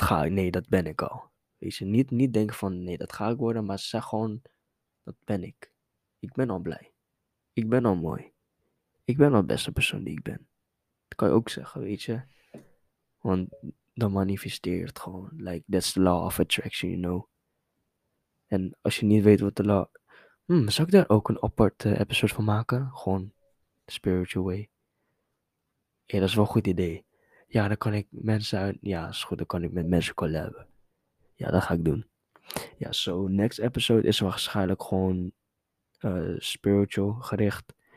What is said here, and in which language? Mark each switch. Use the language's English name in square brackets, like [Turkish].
[Dutch] Nee, dat ben ik al. Weet je, niet denken van, nee, dat ga ik worden. Maar zeg gewoon, dat ben ik. Ik ben al blij. Ik ben al mooi. Ik ben al de beste persoon die ik ben. Dat kan je ook zeggen, weet je. Want dan manifesteert gewoon. [English] Like, that's the law of attraction, you know. [Dutch] En als je niet weet wat de law... zou ik daar ook een apart episode van maken? Gewoon, spiritual way. Ja, dat is wel een goed idee. Ja, dan kan ik mensen uit... Ja, is goed, dan kan ik met mensen collaben. Ja, dat ga ik doen. Ja, so, next episode is waarschijnlijk gewoon... spiritual gericht.